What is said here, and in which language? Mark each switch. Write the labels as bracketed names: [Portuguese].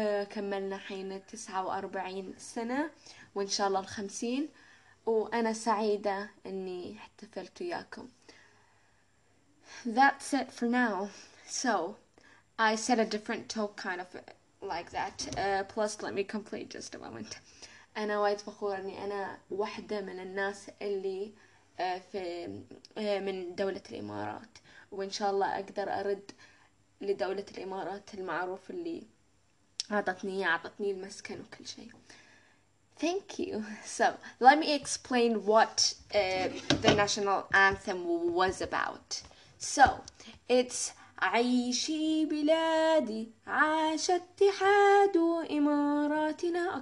[Arabic] كملنا حين 49 سنة وإن شاء الله 50، وأنا سعيدة أني احتفلت وياكم. [English] That's it for now. So, I said a different tone kind of like that. Plus, let me complete just a moment. [Arabic] أنا وايد فخورة أني أنا واحدة من الناس اللي في من دولة الإمارات، وإن شاء الله أقدر أرد لدولة الإمارات المعروف اللي عطتني المسكن وكل شيء. [English] Thank you. So, let me explain what the national anthem was about. So, it's [Arabic] عيشي بلادي عاش اتحاد إماراتنا.